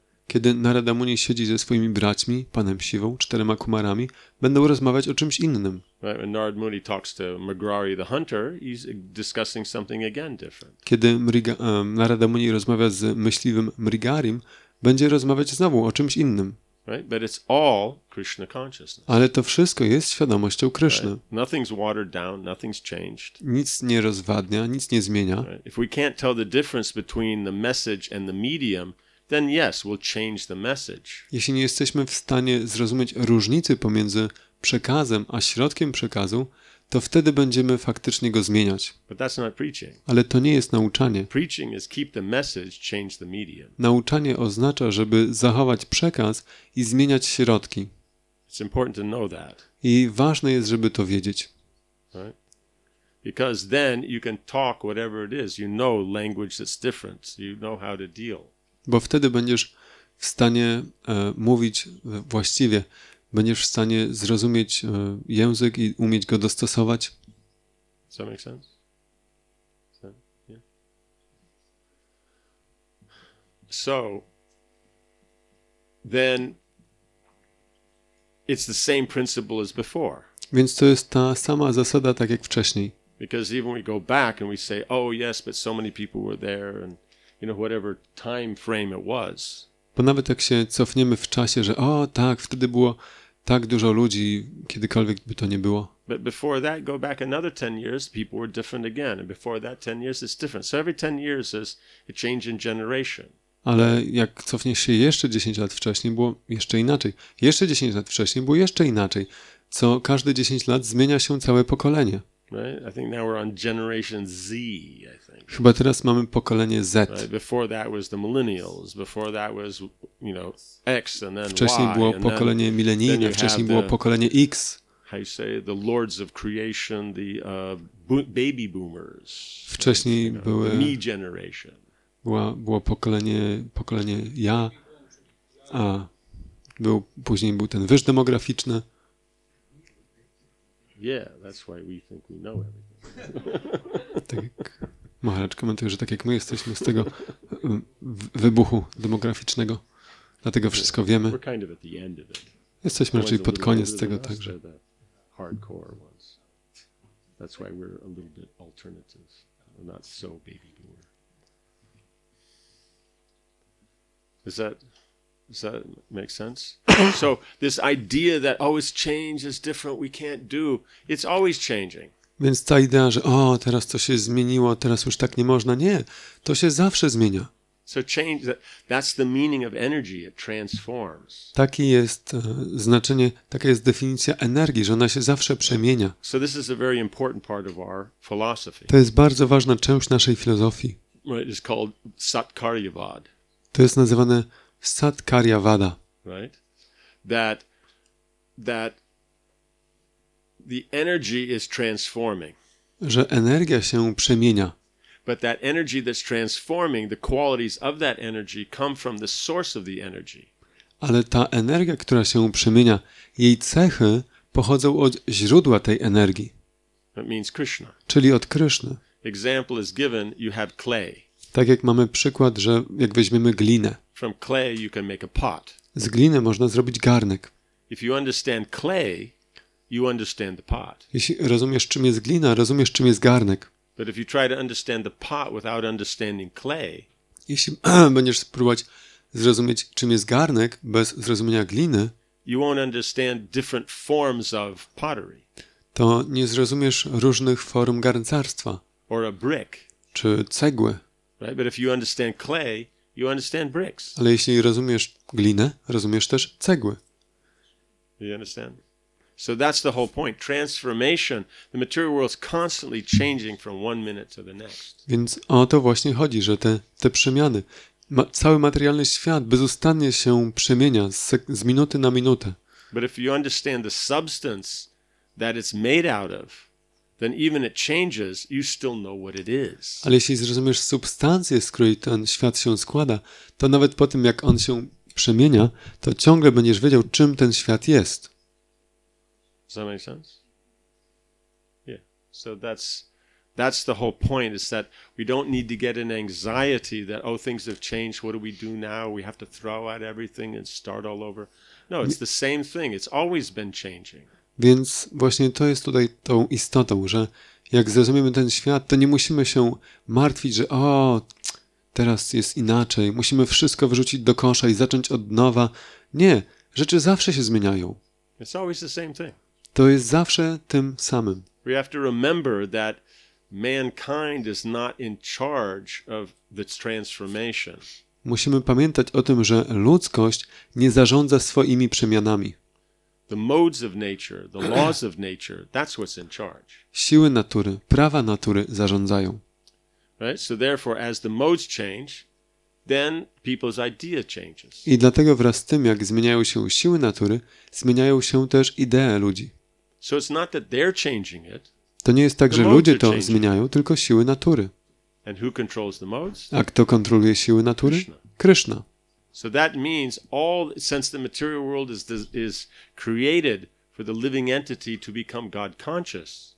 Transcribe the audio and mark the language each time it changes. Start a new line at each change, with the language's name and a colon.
Polish: kiedy Narada Muni siedzi ze swoimi braćmi, panem Shivą, czterema kumarami, będą rozmawiać o czymś innym.
English: Right, when Narada Muni talks to Magrari the hunter, he's discussing something again different.
Polish: Kiedy Narada Muni rozmawia z myśliwym Mrigarim, będzie rozmawiać znowu o czymś innym.
English: Right, but it's all Krishna consciousness.
Polish: Ale to wszystko jest świadomością Kryszny.
English: Right. Nothing's watered down, nothing's changed.
Polish: Nic nie rozwadnia, nic nie zmienia.
English: Right. If we can't tell the difference between the message and the medium, then yes, we'll change the message.
Polish: Jeśli nie jesteśmy w stanie zrozumieć różnicy pomiędzy przekazem a środkiem przekazu, to wtedy będziemy faktycznie go zmieniać.
English: But that's not preaching.
Polish: Ale to nie jest nauczanie.
English: Preaching is keep the message, change the medium.
Polish: Nauczanie oznacza, żeby zachować przekaz i zmieniać środki.
English: It's important to know that.
Polish: I ważne jest, żeby to wiedzieć.
English: Right? Because then you can talk whatever it is. You know language that's different. You know how to deal.
Polish: Bo wtedy będziesz w stanie mówić właściwie. Będziesz w stanie zrozumieć język i umieć go dostosować.
English: Does that make sense? So then it's the same principle as before.
Polish: Więc to jest ta sama zasada tak jak wcześniej.
English: Because even we go back and we say, oh yes, but so many people were there and you know whatever time frame it was.
Polish: Bo nawet jak się cofniemy w czasie, że o tak, wtedy było tak dużo ludzi, kiedykolwiek by to nie było.
English: But before that, go back another 10 years, people were different again. And before that 10 years, it's different. So every 10 years is a change in generation.
Polish: Ale jak cofniesz się jeszcze 10 lat wcześniej, było jeszcze inaczej. Jeszcze 10 lat wcześniej, było jeszcze inaczej. Co każde 10 lat zmienia się całe pokolenie.
English: Right? I think now we're on generation Z, I think.
Polish: Chyba teraz mamy pokolenie Z.
English: Right? Before that was the millennials, before that was, you know, X and then
Polish: wcześniej
English: Y.
Polish: Było pokolenie milenijne, wcześniej było pokolenie X.
English: How you say the lords of creation, the baby boomers.
Polish: Wcześniej
English: you know,
Polish: były
English: me generation.
Polish: Było pokolenie ja, a później był ten wyż demograficzny.
English: Yeah, that's why we think we know everything.
Polish: Tak. Maharaj komentuje, że tak jak my jesteśmy z tego wybuchu demograficznego, dlatego wszystko wiemy.
English: We're kind of at the end of it.
Polish: Jesteśmy raczej pod koniec tego także.
English: Hardcore ones. That's why we're a little bit alternative. We're not so baby boomer. Does that make sense? So this idea that always change is different, we can't do, it's always changing.
Polish: Więc ta idea, że o, teraz to się zmieniło, teraz już tak nie można, nie, to się zawsze zmienia.
English: So change, that's the meaning of energy, it transforms.
Polish: Takie jest znaczenie, taka jest definicja energii, że ona się zawsze przemienia.
English: So this is a very important part of our philosophy.
Polish: To jest bardzo ważna część naszej filozofii.
English: Right, it's called Satkaryavad.
Polish: To jest nazywane Satkaryavada.
English: Right? That the energy is transforming.
Polish: Że energia się przemienia.
English: But that energy that's transforming, the qualities of that energy come from the source of the energy.
Polish: Ale ta energia, która się przemienia, jej cechy pochodzą od źródła tej energii.
English: That means Krishna.
Polish: Czyli od Kryszny.
English: Example is given, you have clay.
Polish: Tak jak mamy przykład, że jak weźmiemy glinę.
English: From clay you can make a pot.
Polish: Z gliny można zrobić garnek.
English: If you understand clay, you understand the pot.
Polish: Jeśli rozumiesz, czym jest glina, rozumiesz, czym jest garnek.
English: But if you try to understand the pot without understanding clay,
Polish: jeśli będziesz próbować zrozumieć, czym jest garnek, bez zrozumienia gliny,
English: you won't understand different forms of pottery.
Polish: To nie zrozumiesz różnych form garncarstwa.
English: Or a brick.
Polish: Czy cegły.
English: Right? But if you understand clay, you understand bricks.
Polish: Ale jeśli rozumiesz glinę, rozumiesz też cegły.
English: You understand? So that's the whole point. Transformation. The material world is constantly changing from one minute to the next.
Polish: Więc o to właśnie chodzi, że te przemiany. Cały materialny świat bezustannie się przemienia z minuty na minutę.
English: But if you understand the substance that it's made out of, then even it changes, you still know what it is.
Polish: Ale jeśli zrozumiesz substancję, z której ten świat się składa, to nawet po tym, jak on się przemienia, to ciągle będziesz wiedział, czym ten świat jest.
English: Does that make sense? Yeah. So That's the whole point, is that we don't need to get an anxiety that, oh, things have changed, what do we do now? We have to throw out everything and start all over. No, it's the same thing. It's always been changing.
Polish: Więc właśnie to jest tutaj tą istotą, że jak zrozumiemy ten świat, to nie musimy się martwić, że o, teraz jest inaczej, musimy wszystko wyrzucić do kosza i zacząć od nowa. Nie, rzeczy zawsze się zmieniają.
English: It's always the same thing.
Polish: To jest zawsze tym samym.
English: We have to remember that mankind is not in charge of this transformation.
Polish: Musimy pamiętać o tym, że ludzkość nie zarządza swoimi przemianami.
English: The modes of nature, the laws of nature, that's what's in charge.
Polish: Siły natury, prawa natury zarządzają.
English: Right? So therefore, as the modes change, then people's idea changes.
Polish: I dlatego wraz z tym, jak zmieniają się siły natury, zmieniają się też idee ludzi.
English: So it's not that they're changing it.
Polish: To nie jest tak, że ludzie to zmieniają, tylko siły natury.
English: And who controls the modes?
Polish: A kto kontroluje siły natury?
English: Krishna. So that means all, since the material world is created for the living entity to become God conscious.